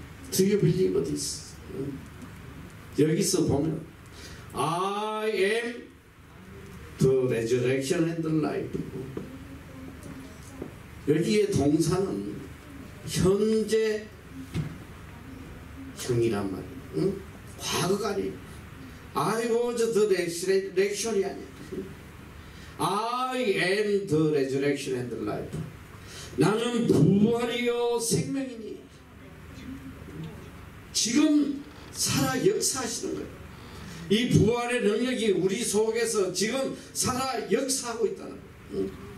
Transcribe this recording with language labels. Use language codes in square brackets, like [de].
[en] 빌레보다이. Do you believe this? 여기서 보면 I am the resurrection and the life. [ko] 여기에 동사는 현재 형이란 말이에요. 응? 과거가 아니에요. [en] I was the resurrection이 [ko] 아니에요. [en] I am the resurrection and the life. [ko] 나는 부활이요 생명이니 지금 살아 역사하시는 거예요. 이 부활의 능력이 우리 속에서 지금 살아 역사하고 있다는 거예요.